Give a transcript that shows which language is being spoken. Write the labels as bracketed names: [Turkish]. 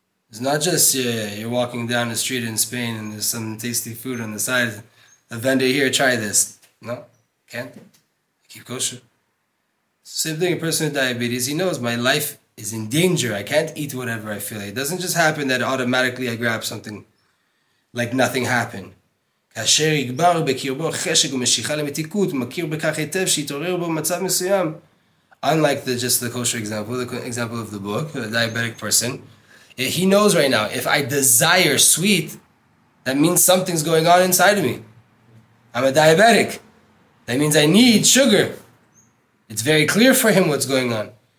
[English] It's not just you're walking down the street in Spain and there's some tasty food on the side. A vendor here, try this. No, can't. Keep kosher. Same thing, a person with diabetes, he knows my life is in danger. I can't eat whatever I feel. It doesn't just happen that automatically I grab something like nothing happened. [Hebrew] כאשר יגבר בקרבו חשק ומשיכה למתיקות, מכיר בכך היטב שיתעורר בו מצב מסוים. [English] Unlike the kosher example, the example of the book, the diabetic person, he knows right now, if I desire sweet, that means something's going on inside of me. I'm a diabetic. That means I need sugar. It's very clear for him what's going on.